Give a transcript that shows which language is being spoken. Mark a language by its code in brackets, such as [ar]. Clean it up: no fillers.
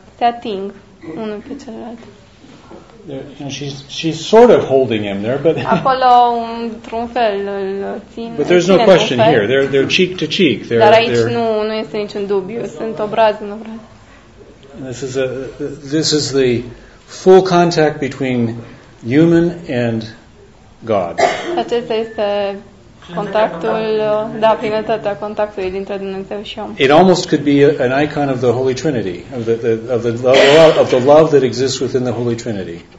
[ro] Se ating unul pe celălalt. [en] And she's sort of holding him there, but [ro] acolo într-un fel îl ține. [en] But there's no question here. They're cheek to cheek. [ro] Dar aici nu este niciun dubiu. Sunt obraz în obraz. [en] This is the full contact between human and God. [ro] Acesta este contactul, da, plinătatea contactului dintre Dumnezeu și om. [en] It almost could be an icon of the Holy Trinity, of the love that exists within the Holy Trinity.